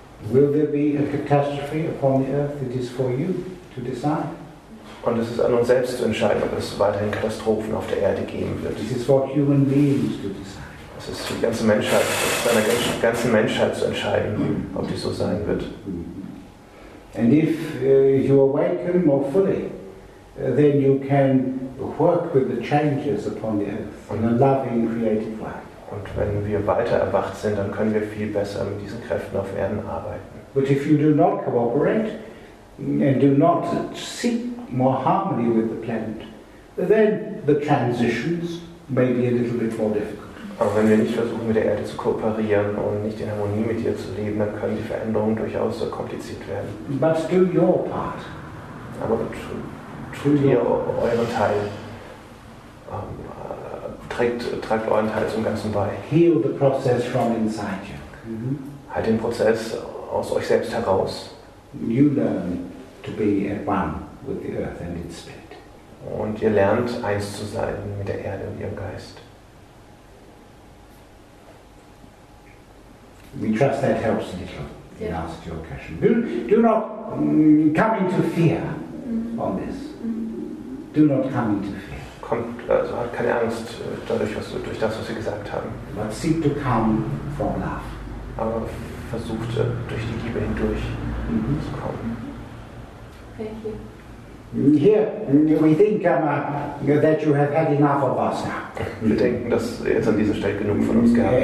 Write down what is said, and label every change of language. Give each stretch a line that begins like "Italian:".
English: Will there be a catastrophe upon the Earth? It is for you to decide.
German: Und es ist an uns selbst zu entscheiden, ob es weiterhin Katastrophen auf der Erde geben wird.
English: It is for human beings to decide.
German: Es ist für die ganze Menschheit, seiner ganzen Menschheit zu entscheiden, ob dies so sein wird.
English: And if you awaken more fully, then you can work with the changes upon the earth in a loving, creative way.
German: Und wenn wir weiter erwacht sind, dann können wir viel besser mit diesen Kräften auf Erden arbeiten.
English: But if you do not cooperate and do not seek more harmony with the planet, then the transitions may be a little bit more difficult.
German: Aber wenn wir nicht versuchen, mit der Erde zu kooperieren und nicht in Harmonie mit ihr zu leben, dann können die Veränderungen durchaus sehr kompliziert werden.
English: But do your part.
German: Aber tut ihr euren Teil. Tragt euren Teil zum Ganzen bei.
English: Heal the process from inside you. Mm-hmm.
German: Halt den Prozess aus euch selbst heraus.
English: You learn to be at one with the earth and its spirit.
German: Und ihr lernt, eins zu sein mit der Erde und ihrem Geist.
English: We trust that helps a little in answer to your question. Do not come into fear on this. Do not come into fear.
German: Kommt, also hat keine Angst dadurch, was, durch das, was Sie gesagt haben.
English: But seek to come from love.
German: Aber versucht, durch die Liebe hindurch zu kommen.
English: Thank you. Here, we think that you have had enough of us now.
German: Wir denken, dass ihr jetzt an dieser Stelle genug von uns gehabt